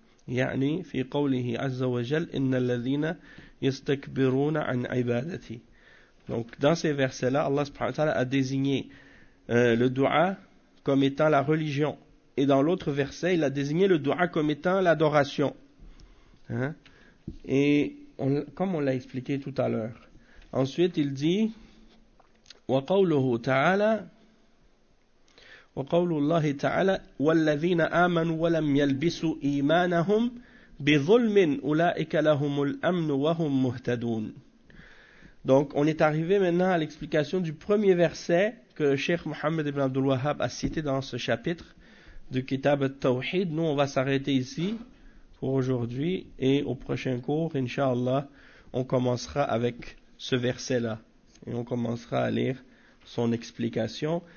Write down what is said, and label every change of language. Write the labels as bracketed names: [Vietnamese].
[Arabic] يعني في قوله عز وجل إن الذين يستكبرون عن عبادتي. [French] Donc dans ces versets-là, Allah subhanahu wa ta'ala a désigné le dua comme étant la religion, et dans l'autre verset, il a désigné le dua comme étant l'adoration. Hein? Et on, comme on l'a expliqué tout à l'heure. Ensuite, il dit [Arabic] وقول الله تعالى والذين آمنوا ولم يلبسوا إيمانهم بظلم أولئك لهم الأمن وهم مهتدون. [French] Donc on est arrivé maintenant à l'explication du premier verset que Cheikh Mohammed ibn Abdul Wahhab a cité dans ce chapitre du Kitab al-Tawhid. Nous, on va s'arrêter ici pour aujourd'hui, et au prochain cours, inshallah, on commencera avec ce verset-là et on commencera à lire son explication.